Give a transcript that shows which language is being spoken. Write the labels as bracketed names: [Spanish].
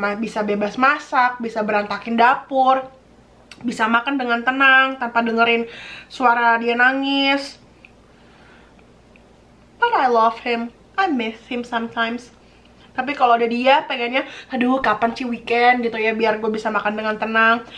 [Indonesian] Bisa bebas masak, bisa berantakin dapur, bisa makan dengan tenang, tanpa dengerin suara dia nangis. [English] But I love him, I miss him sometimes. [Indonesian] Tapi kalau ada dia, pengennya, aduh kapan sih weekend gitu ya, biar gue bisa makan dengan tenang.